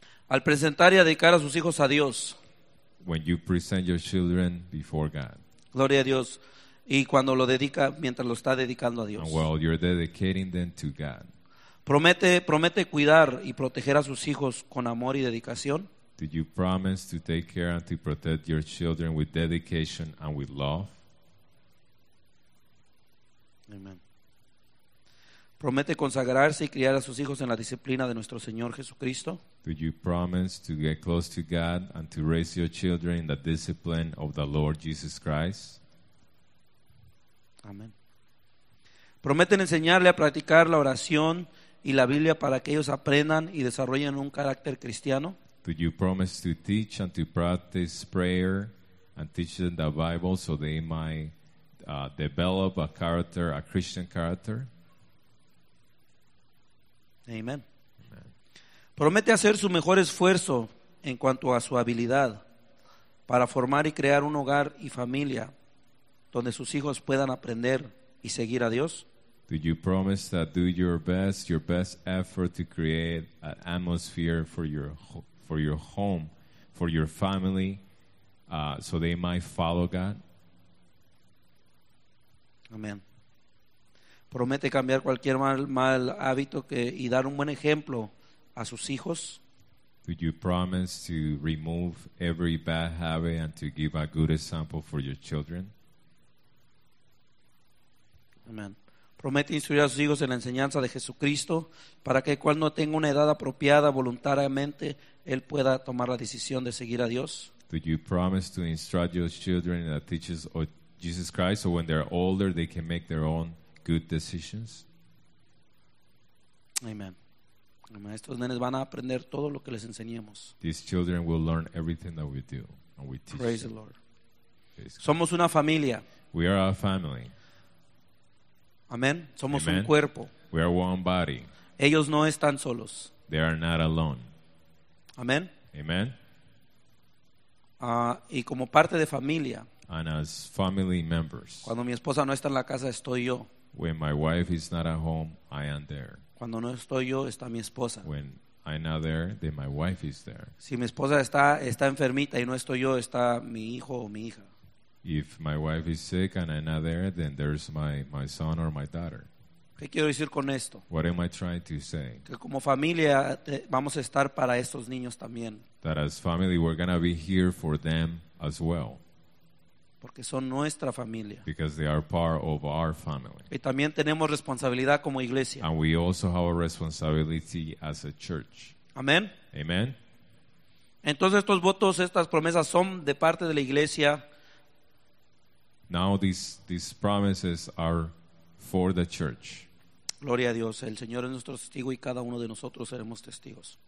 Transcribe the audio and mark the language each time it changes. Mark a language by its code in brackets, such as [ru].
[es] Al presentar y dedicar a sus hijos a Dios. [en] When you present your children before God. [es] Gloria a Dios. Y cuando lo dedica, mientras lo está dedicando a Dios. [en] And while you're dedicating them to God. [es] Promete cuidar y proteger a sus hijos con amor y dedicación. [en] Do you promise to take care and to protect your children with dedication and with love? Amen. [es] Promete consagrarse y criar a sus hijos en la disciplina de nuestro Señor Jesucristo. [en] Do you promise to get close to God and to raise your children in the discipline of the Lord Jesus Christ? [es] Amén. Prometen enseñarle a practicar la oración y la Biblia para que ellos aprendan y desarrollen un carácter cristiano. [en] Do you promise to teach and to practice prayer and teach them the Bible so they might develop a character, a Christian character? Amen. Amen. [es] Promete hacer su mejor esfuerzo en cuanto a su habilidad para formar y crear un hogar y familia donde sus hijos puedan aprender y seguir a Dios. [en] Do you promise that do your best effort to create an atmosphere for your home, for your family, so they might follow God? Amen. [es] Promete cambiar cualquier mal hábito que y dar un buen ejemplo a sus hijos. [en] Do you promise to remove every bad habit and to give a good example for your children? Amen. [es] Promete instruir a sus hijos en la enseñanza de Jesucristo para que cuando tenga una edad apropiada voluntariamente él pueda tomar la decisión de seguir a Dios. [en] Do you promise to instruct your children in the teachings of Jesus Christ so when they're older they can make their own good decisions? Amen. Amen. [es] Estos nenes van a aprender todo lo que les enseñemos. [en] These children will learn everything that we do and we teach. Praise them. The Lord. Praise Somos God. [es] Una familia. [en] We are a family. [es] Amen. Somos Amen. Un cuerpo. [en] We are one body. [es] Ellos no están solos. [en] They are not alone. Amen. Amen. [es] Y como parte de familia. [en] And as family members. [es] Cuando mi esposa no está en la casa, estoy yo. [en] When my wife is not at home, I am there. [es] Cuando no estoy yo, está mi esposa. [en] When I'm not there, then my wife is there. [es] Si mi esposa está enfermita y no estoy yo, está mi hijo o mi hija. [en] If my wife is sick and I'm not there, then there's my son or my daughter. [es] ¿Qué quiero decir con esto? [en] What am I trying to say? [es] Que como familia vamos a estar para estos niños también. [en] That as family we're going to be here for them as well. [es] Porque son nuestra familia. [en] Because they are part of our family. [es] Y también tenemos responsabilidad como iglesia. [en] And we also have a responsibility as a church. Amen. Amen. [es] Entonces estos votos, estas promesas son de parte de la iglesia. [en] Now these promises are for the church. [es] Gloria a Dios, el Señor es nuestro testigo y cada uno de nosotros seremos testigos.